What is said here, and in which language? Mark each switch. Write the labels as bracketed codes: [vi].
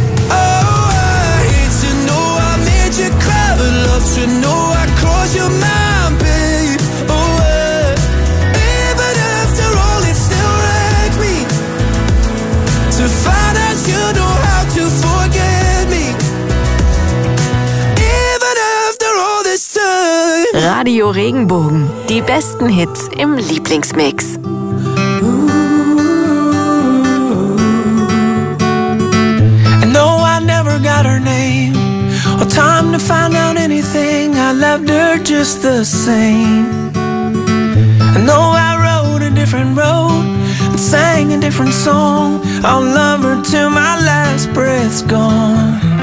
[en] Oh, I hate to know I made you cry, but love to know I crossed your mind, babe. Oh, even after all, it still wrecks me to find out you know to forget me, even after all this time. [de] Radio Regenbogen, die besten Hits im Lieblingsmix. Ooh. [en] And though I never got her name or time to find out anything, I loved her just the same. And though I rode a different road, sang a different song, I'll love her till my last breath's gone.